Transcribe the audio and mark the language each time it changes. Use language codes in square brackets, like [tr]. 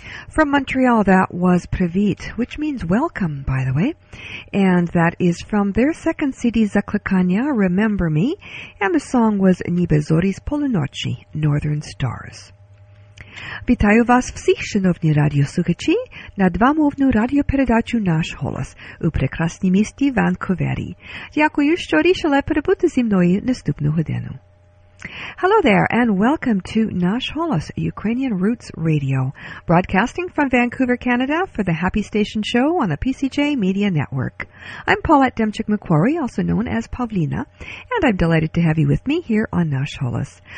[en] From Montreal, that was Privit, which means welcome, by the way. And that is from their second CD, Zaklekania, Remember Me. And the song was Nibezoris Polunochi, Northern Stars. [uk] Вітаю вас всіх, шановні радіослухачі, на двамовну радіопередачу «Наш голос» у прекрасній місті Ванкувері. Дякую, що рішили перебути зі мною наступну годину. [en] Hello there, and welcome to Nash Holos, Ukrainian Roots Radio, broadcasting from Vancouver, Canada, for the Happy Station Show on the PCJ Media Network. I'm Paulette Demchik-McQuarrie, also known as Pavlina, and I'm delighted to have you with me here on Nash Holos.